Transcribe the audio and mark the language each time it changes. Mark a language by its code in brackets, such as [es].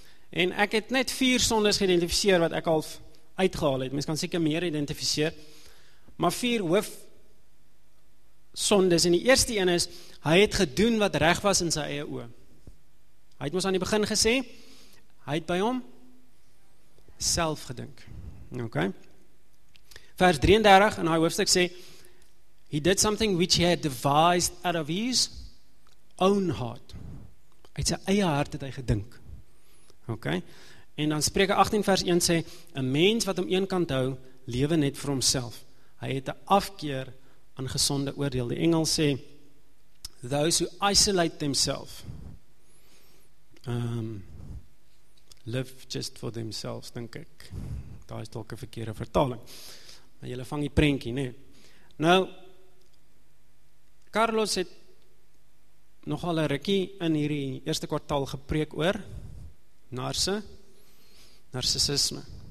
[af] En ek het net 4 sondes geïdentificeer wat ek al uitgehaal het. Mens kan seker meer identificeer, maar 4 hoofsondes. En die eerste een is, hy het gedoen wat reg was in sy eie oë. Hy het ons aan die begin gesê, hy het by hom self gedink. Okay. Vers 33 in hy hoofstuk sê, [en] he did something which he had devised out of his own heart. [af] Uit sy eie hart het hy gedink. Okay. En dan Spreuke 18 vers 1 sê, a mens wat om een kant hou, lewe net vir homself. Hy het 'n afkeer aan gesonde oordeel. Die engel sê, [en] those who isolate themselves, live just for themselves, [af] dink ek. Daar is dalk 'n verkeerde vertaling. Maar julle vang die prentjie, nê? Nou, Carlos het nogal 'n rukkie in hierdie eerste kwartaal gepreek oor narcissisme.